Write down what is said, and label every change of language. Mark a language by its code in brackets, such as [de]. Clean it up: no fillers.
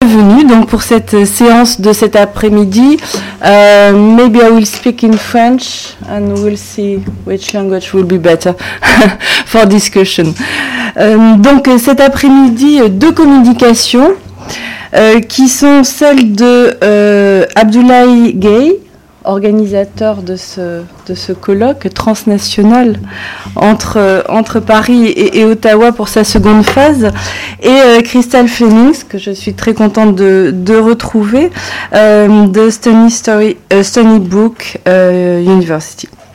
[fr] bienvenue donc pour cette séance de cet après-midi. [en] Maybe I will speak in French and we'll see which language will be better for discussion. [fr] Donc cet après-midi, deux communications qui sont celles de Abdoulaye Gueye, organisateur de ce colloque transnational entre Paris et Ottawa pour sa seconde phase, et Crystal Phoenix, que je suis très contente de retrouver, de Stony Brook University.